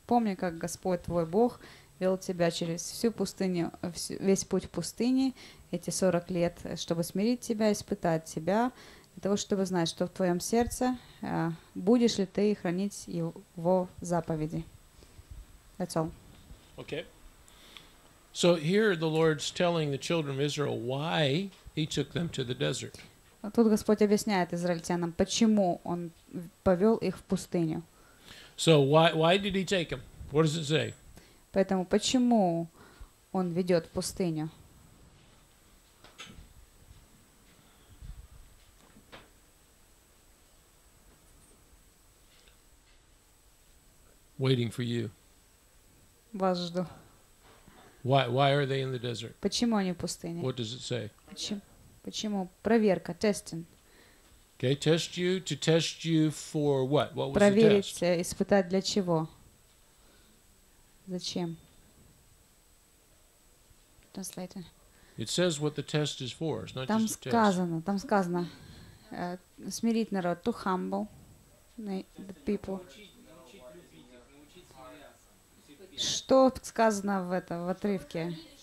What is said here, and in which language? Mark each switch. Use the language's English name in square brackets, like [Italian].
[Russian] Помни, как Господь твой Бог вел тебя через всю пустыню, весь путь в пустыне, эти 40 лет, чтобы смирить тебя, испытать тебя, для того, чтобы знать, что в твоем сердце, будешь ли ты хранить его заповеди. [English] That's all. Okay. So here the Lord's telling the children of Israel why he took them to the desert. [Russian] Тут Господь объясняет израильтянам, почему он повел их в пустыню. [English] So why did he take them? What does it say? [Russian] Поэтому почему он ведет в пустыню? [English] Waiting for you. [Russian] Вас жду. [English] Why are they in the desert? [Russian] Почему они в пустыне? [English] What does it say? [Russian] Почему? Проверка, testing. [English] Okay, test you, to test you for what? What was [Russian] проверить, [English] the test? [Russian] Испытать для чего? Зачем? [English] Translator. It says what the test is for. It's not [Russian] там [English] just [Russian] сказано, [English] a test. [Russian] Там сказано, смирить народ, [English] to humble the people. [Russian] Что сказано в этом в отрывке?